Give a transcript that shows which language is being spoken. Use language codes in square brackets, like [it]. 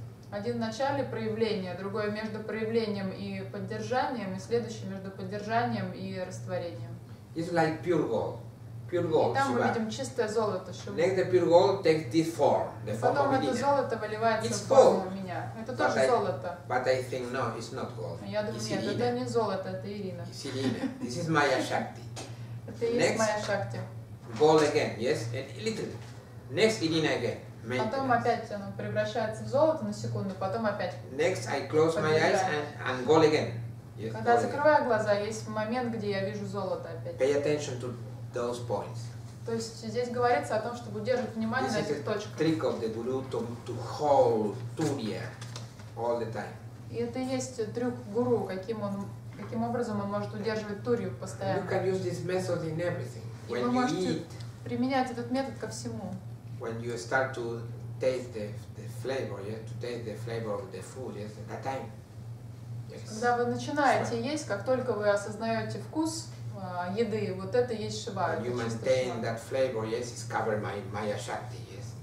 [ru] Один в начале проявления, другой между проявлением и поддержанием, и следующий между поддержанием и растворением. [en] It's like pure gold. Pure gold. [ru] И там мы видим чистое золото, Шива. [en] Next, the pure gold takes this form, the form of [ru] Medina. Потом это золото выливается в форму меня. Это тоже золото. [en] But I think no, it's not gold. [ru] Я думаю, нет, это не золото, это Ирина. [en] It's Ирина. This is Maya Shakti. [ru] Это есть Maya Shakti. [en] Gold again, yes, and a little. Next, Ирина again. [ru] Потом опять оно превращается в золото на секунду, потом опять. [en] Next, I close my eyes and gold again. Yes, [ru] когда я закрываю глаза, есть момент, где я вижу золото опять. [en] Pay attention to those points. [ru] То есть здесь говорится о том, чтобы удерживать внимание [en] this [ru] на этих точках. [en] Trick of the guru to hold Turiya all the time. [ru] И это есть трюк гуру, каким образом он может удерживать Турию постоянно. [en] You can use this method in everything. When you eat. [ru] Применять этот метод ко всему. [en] When you start to taste the flavor, yeah, to taste the flavor of the food, yes, at that time. [ru] Когда вы начинаете есть, как только вы осознаете вкус еды, вот это есть Шива. [en] You maintain that flavor, yes, it's covered by Maya Shakti, yes.